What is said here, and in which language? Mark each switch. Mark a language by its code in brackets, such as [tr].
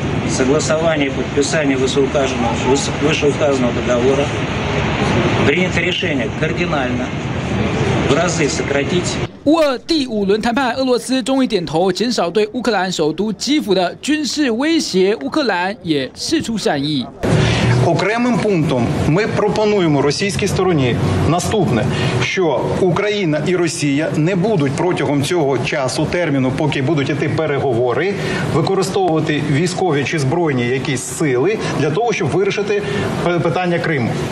[ru] Согласование, подписание вышеуказанного договора, принято решение кардинально в разы сократить。 [zh] 乌俄第五轮谈判，俄罗斯终于点头，减少对乌克兰首都基辅的军事威胁，乌克兰也释出善意。 [uk] Окремим пунктом ми пропонуємо російській стороні наступне, що Україна і Росія не будуть протягом цього часу, терміну, поки будуть іти переговори, використовувати військові чи збройні якісь сили для того, щоб вирішити питання Криму.